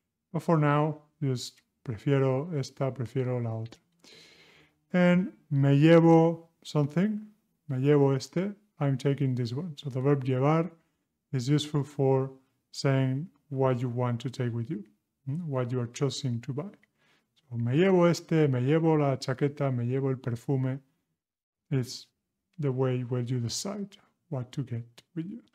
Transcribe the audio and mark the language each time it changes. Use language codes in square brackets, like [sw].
[en] But for now, just [es] prefiero esta, prefiero la otra. [en] And me llevo something. [es] Me llevo este, [en] I'm taking this one. So the verb llevar is useful for saying what you want to take with you, what you are choosing to buy. [es] So me llevo este, me llevo la chaqueta, me llevo el perfume. [en] It's the way where you decide what to get with you.